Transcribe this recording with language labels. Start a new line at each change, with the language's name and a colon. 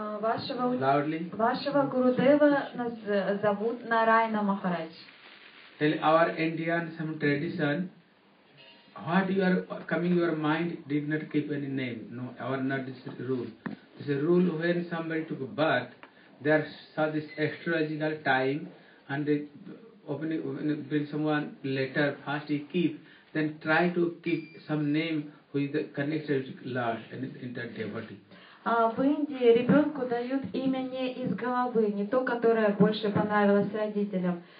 Russian: Вашего Гурудева нас зовут Нарайна Махарадж.
English: Tell our Indian some tradition. What you are coming your mind did not keep any name. No, our not this rule. This is a rule when somebody took birth, there saw this astrological time and they open someone letter first he keep, then try to keep some name who is connected with Lord and inter-devotee.
Russian: В Индии ребенку дают имя не из головы, не то, которое больше понравилось родителям.